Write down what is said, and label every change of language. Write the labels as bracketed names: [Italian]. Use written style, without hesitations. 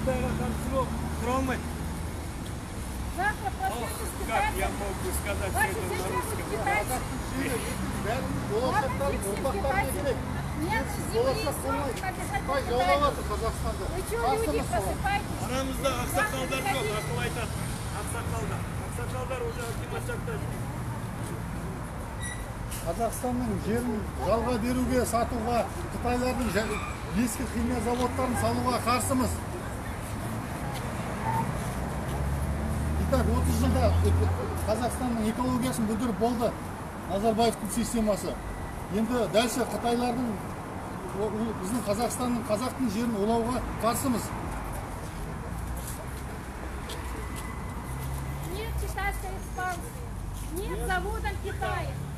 [Russian] Как я мог бы сказать все это на русском? [Kazakh] Қазақстанның жерін жалға беруге, сатуға, Қытайлардың ескі химия заводтарын салуға қарсымыз. Итак, 30 жылда Қазақстанның экологиясын бүлдіріп болды Назарбаевтың системасы. Енді дәлше Қытайлардың, біздің Қазақстанның, Қазақтың жерін олауға қарсымыз. [Russian] Нет китайской экспансии, нет завода Китая.